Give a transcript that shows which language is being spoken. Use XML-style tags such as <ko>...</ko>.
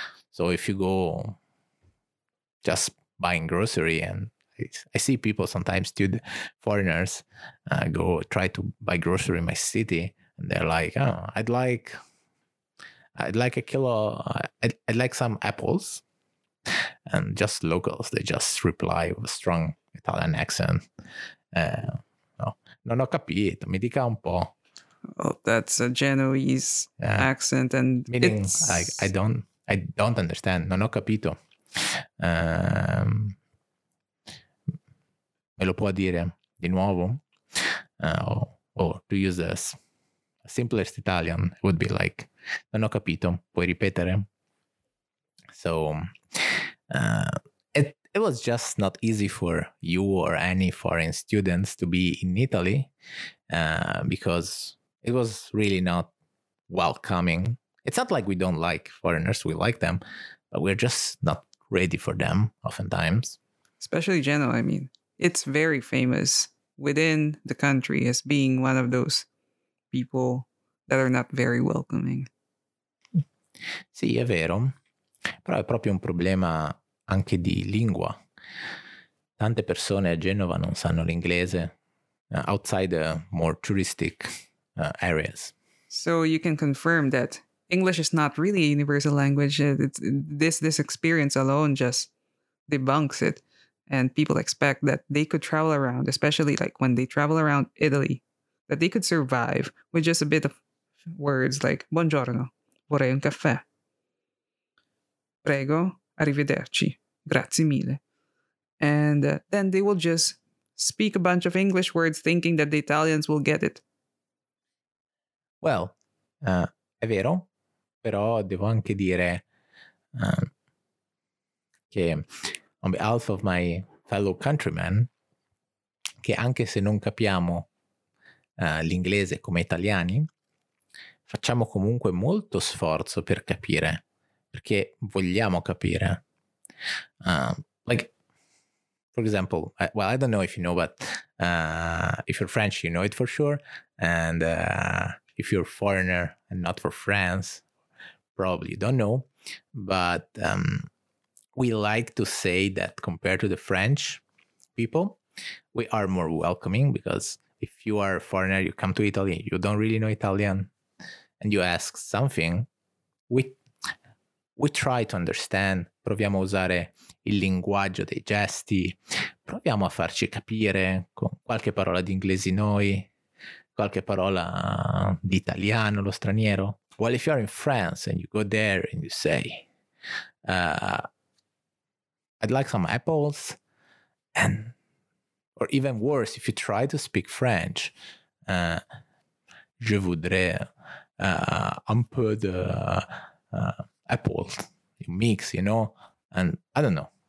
<en>So if you go just buying grocery, and I see people sometimes, foreigners, go try to buy grocery in my city, and they're like, oh, I'd like a kilo, I'd like some apples. And just locals, they just reply with a strong Italian accent.</en> <it>No, non ho capito, mi dica un po'.</it> <en>Well, that's a Genoese accent, and meaning it's... I don't understand.</en> <it>Non ho capito. Me lo può dire di nuovo?</it> <en>To use this simplest Italian, it would be like,</en> <it>non ho capito. Puoi ripetere?</it> <en>So it was just not easy for you or any foreign students to be in Italy because it was really not welcoming. It's not like we don't like foreigners, we like them, but we're just not ready for them oftentimes. Especially Genoa, I mean, it's very famous within the country as being one of those people that are not very welcoming.</en> <it>Sì, è vero, però è proprio un problema anche di lingua. Tante persone a Genova non sanno l'inglese,</it> <en>outside the more touristic areas. So you can confirm that English is not really a universal language. This experience alone just debunks it. And people expect that they could travel around, especially like when they travel around Italy, that they could survive with just a bit of words like</en> <it>buongiorno, vorrei un caffè, prego, arrivederci, grazie mille.</it> <en>And then they will just speak a bunch of English words thinking that the Italians will get it. Well,</en> <it>è vero, però devo anche dire che</it> <en>on behalf of my fellow countrymen,</en> <it>che anche se non capiamo l'inglese come italiani, facciamo comunque molto sforzo per capire, perché vogliamo capire.</it> <en>For example, I don't know if you know, but if you're French, you know it for sure. And if you're a foreigner and not for France, probably you don't know. But we like to say that compared to the French people, we are more welcoming, because if you are a foreigner, you come to Italy, you don't really know Italian, and you ask something, we try to understand.</en> <it>Proviamo a usare il linguaggio dei gesti, proviamo a farci capire con qualche parola di inglese noi, qualche parola di italiano, lo straniero.</it> <en>Well, if you are in France and you go there and you say, I'd like some apples, and Or even worse, if you try to speak French,</en> <fr>je voudrais un peu de</fr> <en>apples, you mix, you know? And I don't know.</en>